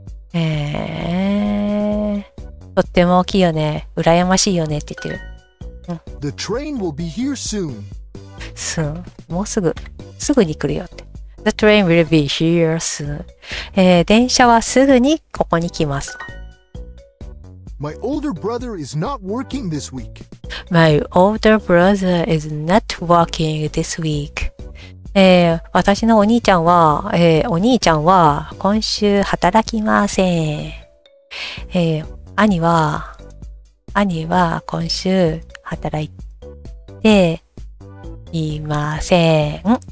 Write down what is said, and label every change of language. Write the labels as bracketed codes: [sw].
[ja] とっても大きいよね。羨ましいよねって言ってる。 [en] The train will be here soon. [ja] Soon. もうすぐ。すぐに来るよって。 [en] The train will be here soon. [ja] 電車はすぐにここに来ます。 [en] My older brother is not working this week. My older brother is not working this week. [ja] 私のお兄ちゃんは、お兄ちゃんは今週働きません。兄は今週働いていません。